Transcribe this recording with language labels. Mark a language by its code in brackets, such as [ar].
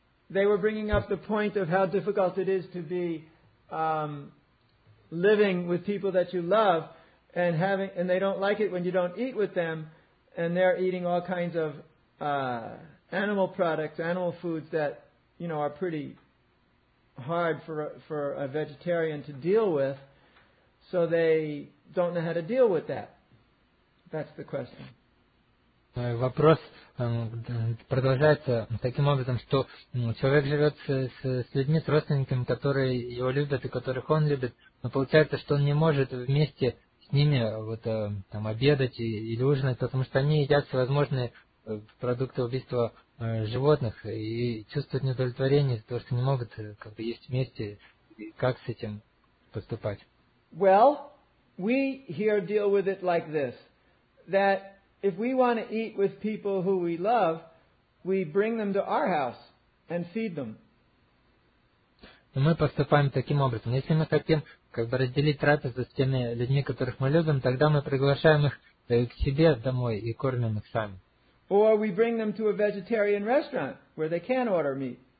[en] They were bringing up the point of how difficult it is to be living with people that you love and having, and they don't like it when you don't eat with them and they're eating all kinds of animal products, animal foods that, you know, are pretty hard for a vegetarian to deal with. So they don't know how to deal with that. That's the question. [ru] Вопрос продолжается таким образом, что человек живет с людьми, с родственниками, которые его любят и которых он любит, но получается, что он не может вместе с ними вот, там, обедать или ужинать, потому что они едят всевозможные продукты убийства животных и чувствуют неудовлетворение за то, что не могут как бы, есть вместе. И как с этим поступать? [en] Well, we here deal with it like this, that if we want to eat with people who we love, we bring them to our house and feed them. [ru] Мы поступаем таким образом. Если мы хотим как бы разделить трапезу с теми людьми, которых мы любим, тогда мы приглашаем их к себе домой и кормим их сами. [en] Or we bring them to a vegetarian restaurant where they can order meat.